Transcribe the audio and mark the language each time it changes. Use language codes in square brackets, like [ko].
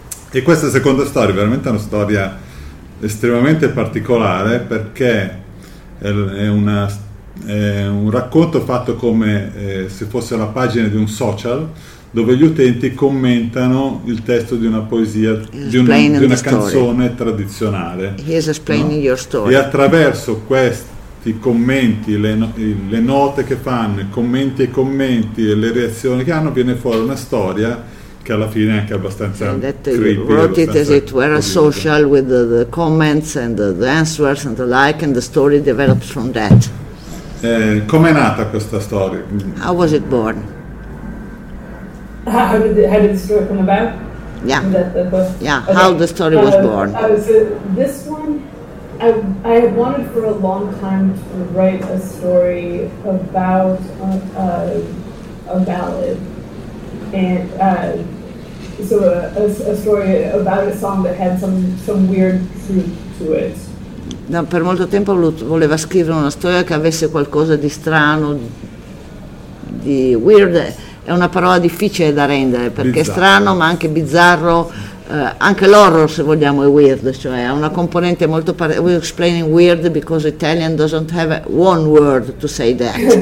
[it] E questa seconda storia è veramente una storia estremamente particolare perché è un racconto fatto come se fosse la pagina di un social dove gli utenti commentano il testo di una poesia, di una canzone tradizionale. [en] He is explaining your story. [it] E attraverso questi commenti, le note che fanno, i commenti e le reazioni che hanno, viene fuori una storia che alla fine è anche abbastanza creepy. [en] You wrote it as it were a social with the comments and the answers and the like, and the story develops from that. [it] Com'è nata questa storia? [en] How was it born? How did the story come about? Yeah. That yeah. Okay. How the story was born? This one, I have wanted for a long time to write a story about a ballad, and so a story about a song that had some weird truth to it. [it] No, per molto tempo voleva scrivere una storia che avesse qualcosa di strano, di weird, è una parola difficile da rendere, perché bizzarro. È strano ma anche bizzarro, anche l'horror, se vogliamo, è weird, cioè ha una componente molto particolare. [en] We're explaining weird because Italian doesn't have one word to say that.